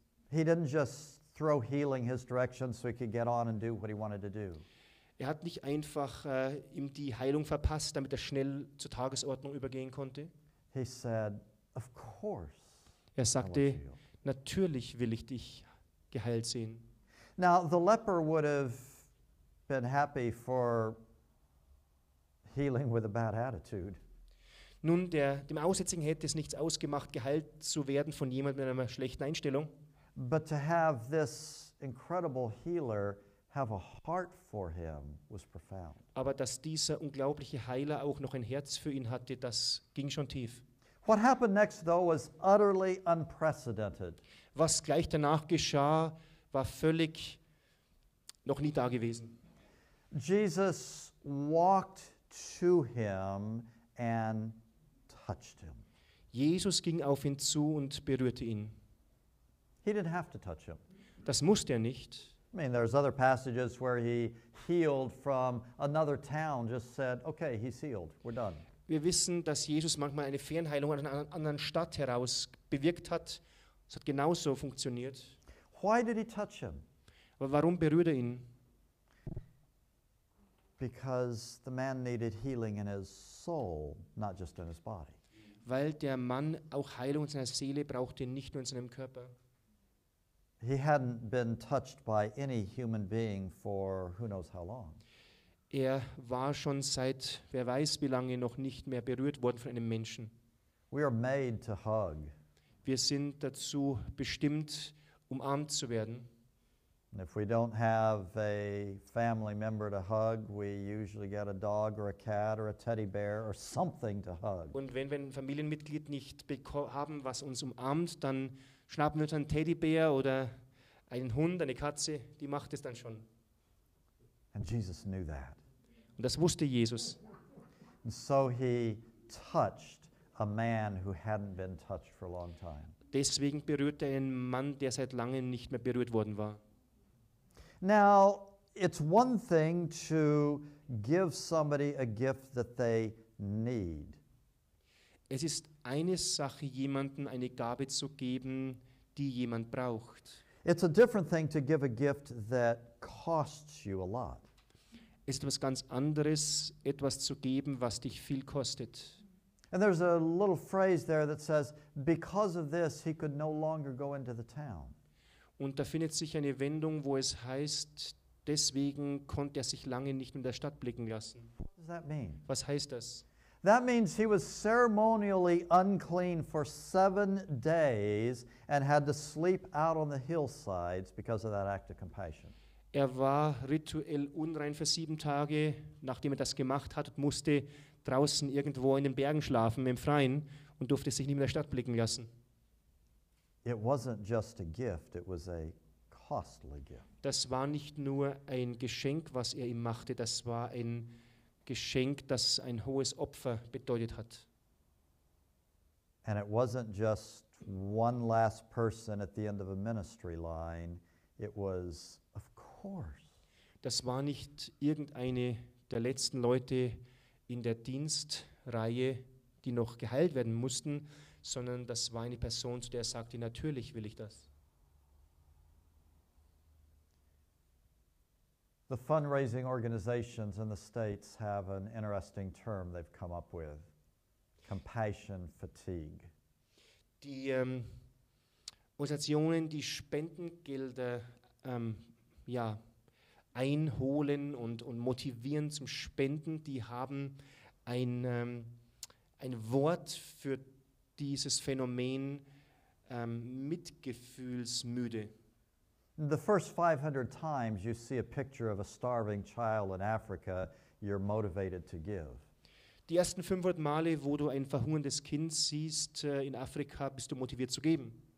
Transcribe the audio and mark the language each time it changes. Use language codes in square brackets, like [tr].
[en] He didn't just throw healing his direction so he could get on and do what he wanted to do. [de] Er hat nicht einfach ihm die Heilung verpasst, damit er schnell zur Tagesordnung übergehen konnte. [en] He said, of course. [de] Er sagte, natürlich will ich dich geheilt sehen. [en] Now the leper would have been happy for healing with a bad attitude. [de] Nun, dem Aussätzigen hätte es nichts ausgemacht, geheilt zu werden von jemandem mit einer schlechten Einstellung. [en] But to have this incredible healer have a heart for him was profound. [de] Aber dass dieser unglaubliche Heiler auch noch ein Herz für ihn hatte, das ging schon tief. [en] What happened next, though, was utterly unprecedented. [de] Was gleich danach geschah, war völlig noch nie da gewesen. [en] Jesus walked to him and touched him. [de] Jesus ging auf ihn zu und berührte ihn. [en] He didn't have to touch him. [de] Das musste er nicht. [en] I mean, there's other passages where he healed from another town, just said, okay, he's healed, we're done. [de] Wir wissen, dass Jesus manchmal eine Fernheilung aus einer anderen Stadt heraus bewirkt hat. Es hat genauso funktioniert. [en] Why did he touch him? [de] Aber warum berührt er ihn? [en] Because the man needed healing in his soul, not just in his body. [de] Weil der Mann auch Heilung in seiner Seele brauchte, nicht nur in seinem Körper. [en] He hadn't been touched by any human being for who knows how long. [de] Er war schon seit wer weiß wie lange noch nicht mehr berührt worden von einem Menschen. [en] We are made to hug. [de] Wir sind dazu bestimmt, umarmt zu werden. [en] And if we don't have a family member to hug, we usually get a dog or a cat or a teddy bear or something to hug. [de] Und wenn wir ein Familienmitglied nicht haben, was uns umarmt, dann schnappen wir uns einen Teddybär oder einen Hund, eine Katze, die macht es dann schon. [en] And Jesus knew that. [de] Und das wusste Jesus. [en] And so he touched a man who hadn't been touched for a long time. [de] Deswegen berührte er einen Mann, der seit langem nicht mehr berührt worden war. [en] Now, it's one thing to give somebody a gift that they need. [de] Es ist eine Sache, jemanden eine Gabe zu geben, die jemand braucht. [en] It's a different thing to give a gift that costs you a lot. [de] Ist was ganz anderes, etwas zu geben, was dich viel kostet. [en] And there's a little phrase there that says, because of this, he could no longer go into the town. [de] Und da findet sich eine Wendung, wo es heißt, deswegen konnte er sich lange nicht in der Stadt blicken lassen. [en] What does that mean? [de] Was heißt das? [en] That means he was ceremonially unclean for 7 days and had to sleep out on the hillsides because of that act of compassion. [de] Er war rituell unrein für 7 Tage, nachdem er das gemacht hat, musste draußen irgendwo in den Bergen schlafen, im Freien, und durfte sich nicht in der Stadt blicken lassen. [en] It wasn't just a gift, it was a costly gift. [de] Das war nicht nur ein Geschenk, was er ihm machte, das war ein Geschenk, das ein hohes Opfer bedeutet hat. [en] And it wasn't just one last person at the end of a ministry line, it was, of course. [de] Das war nicht irgendeine der letzten Leute in der Dienstreihe, die noch geheilt werden mussten, sondern das war eine Person, zu der er sagte, natürlich will ich das. [en] The fundraising organizations in the States have an interesting term they've come up with, compassion fatigue. [de] Die Organisationen, die Spendengelder einholen und motivieren zum Spenden, die haben ein Wort für dieses Phänomen Mitgefühlsmüde. [en] The first 500 times you see a picture of a starving child in Africa, you're motivated to give. [de] Die ersten 500 Male, wo du ein verhungerndes Kind siehst in Afrika, bist du motiviert zu geben.